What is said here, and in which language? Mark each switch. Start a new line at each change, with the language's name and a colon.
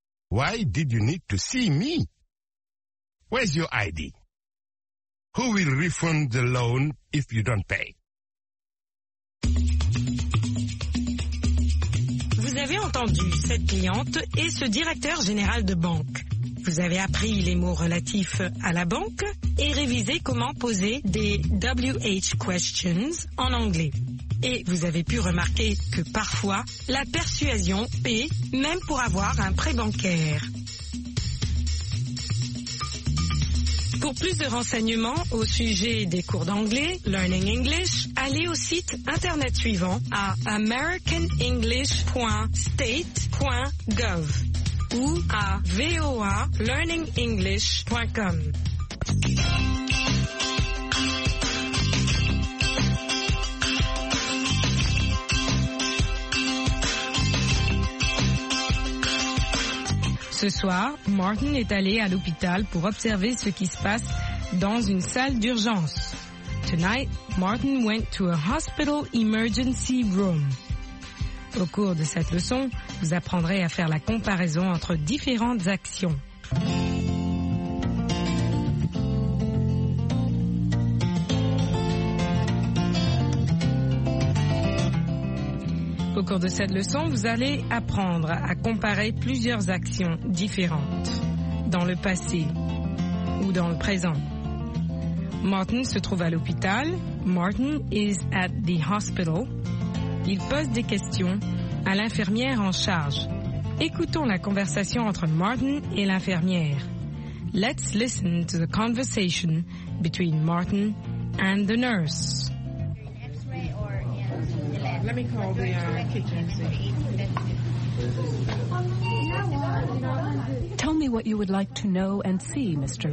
English: Why did you need to see me? Where's your ID? Who will refund the loan if you don't pay?
French: Vous avez entendu cette cliente et ce directeur général de banque. Vous avez appris les mots relatifs à la banque et révisé comment poser des WH questions en anglais. Et vous avez pu remarquer que parfois, la persuasion paie même pour avoir un prêt bancaire. Pour plus de renseignements au sujet des cours d'anglais, Learning English, allez au site internet suivant à americanenglish.state.gov ou à voalearningenglish.com. Ce soir, Martin est allé à l'hôpital pour observer ce qui se passe dans une salle d'urgence.
English: Tonight, Martin went to a hospital emergency room.
French: Au cours de cette leçon, vous apprendrez à faire la comparaison entre différentes actions. Au cours de cette leçon, vous allez apprendre à comparer plusieurs actions différentes dans le passé ou dans le présent. Martin se trouve à l'hôpital.
English: Martin is at the hospital.
French: Il pose des questions à l'infirmière en charge. Écoutons la conversation entre Martin et l'infirmière.
English: Let's listen to the conversation between Martin and the nurse. Let me call the kitchen. Tell me what you would like to know and see, Mr.